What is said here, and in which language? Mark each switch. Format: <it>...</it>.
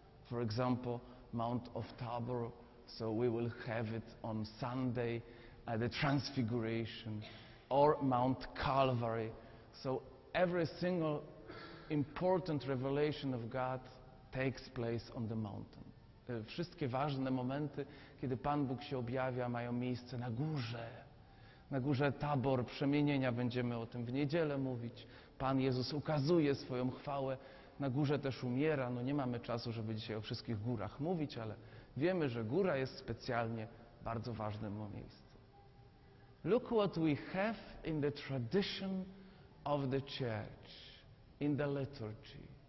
<en>For example, Mount of Tabor, so we will have it on Sunday, the Transfiguration, or Mount Calvary. So every single important revelation of God takes place on the mountain.</en> <pl>Wszystkie ważne momenty, kiedy Pan Bóg się objawia, mają miejsce na górze. Na górze Tabor, przemienienia, będziemy o tym w niedzielę mówić. Pan Jezus ukazuje swoją chwałę. Na górze też umiera. No nie mamy czasu, żeby dzisiaj o wszystkich górach mówić, ale wiemy, że góra jest specjalnie bardzo ważnym miejscem.</pl> <en>Look what we have in the tradition of the church, in the liturgy.</en>